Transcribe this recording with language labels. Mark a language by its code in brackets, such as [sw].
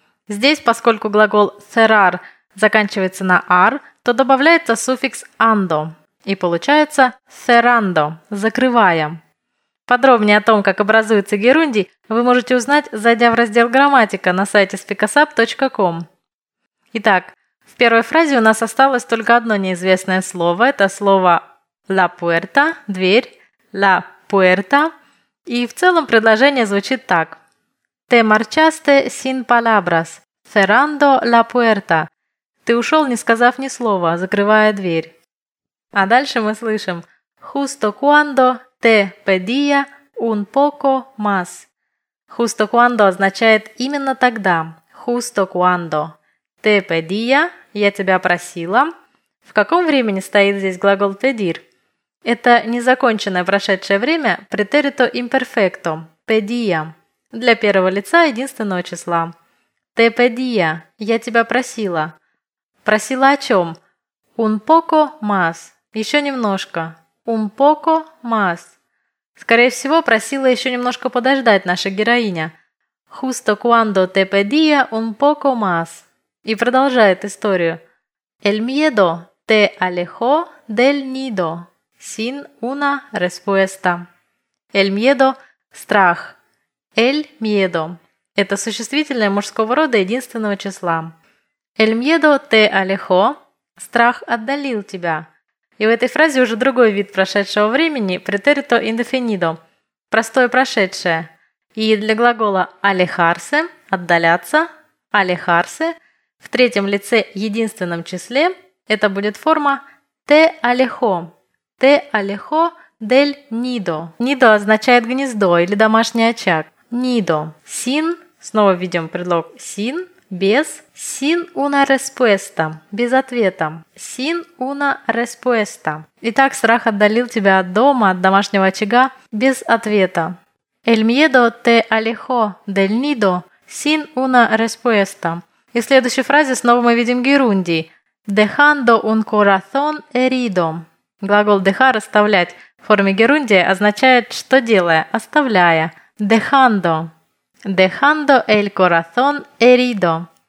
[ru] Здесь, поскольку глагол cerrar заканчивается на «ar», то добавляется суффикс «ando». И получается «cerrando» – «закрываем». Подробнее о том, как образуется герундий, вы можете узнать, зайдя в раздел «Грамматика» на сайте speakusup.com. Итак, в первой фразе у нас осталось только одно неизвестное слово. Это слово [es] «la puerta» [ru] – «дверь», «la puerta». И в целом предложение звучит так. [es] «Te marchaste sin palabras, cerrando la puerta». [ru] «Ты ушел, не сказав ни слова, закрывая дверь». А дальше мы слышим [es] «Justo cuando te pedía un poco más». «Justo cuando» [ru] означает «именно тогда». [es] «Justo cuando te pedía» – [ru] «я тебя просила». В каком времени стоит здесь глагол «pedir»? Это незаконченное прошедшее время «pretérito imperfecto» – «pedía». Для первого лица единственного числа. [es] «Te pedía» [ru] – «я тебя просила». Просила о чем? [es] «Un poco más». [ru] Еще немножко. [es] Un poco más. [ru] Скорее всего, просила еще немножко подождать наша героиня. [es] Justo cuando te pedía un poco más. [ru] И продолжает историю. [es] El miedo te alejó del nido sin una respuesta. El miedo – [ru] страх. El miedo – это существительное мужского рода единственного числа. [es] El miedo te alejó – [ru] страх отдалил тебя. И в этой фразе уже другой вид прошедшего времени – pretérito indefinido – простое прошедшее. И для глагола «alejarse» – «отдаляться» – «alejarse» в третьем лице единственном числе это будет форма «te alejó» – [es] «te alejó del nido». [ru] «Nido» означает «гнездо» или «домашний очаг». «Nido» – «sin» – снова видим предлог «sin» «без» – [es] «sin una respuesta» [ru] – «без ответа». [es] «Sin una respuesta». [ru] Итак, страх отдалил тебя от дома, от домашнего очага, без ответа. [es] «El miedo te alejó del nido sin una respuesta». [ru] И в следующей фразе снова мы видим герундий. [es] «Dejando un corazón herido». [ru] Глагол «dejar» – «оставлять» в форме герундия означает «что делая», «оставляя». [es] «Dejando». «Dejando el corazón herido».